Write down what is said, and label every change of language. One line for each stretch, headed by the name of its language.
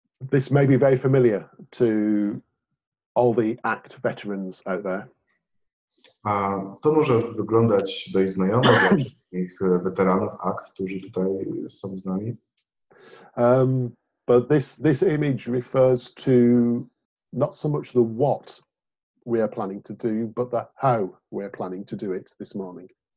English: This may be very familiar to all the ACT veterans out there.
Polish: To może wyglądać dość znajomo dla wszystkich weteranów ACT, którzy tutaj są z nami.
English: But this image refers to not so much the what we are planning to do, but the how we are planning to do it this morning.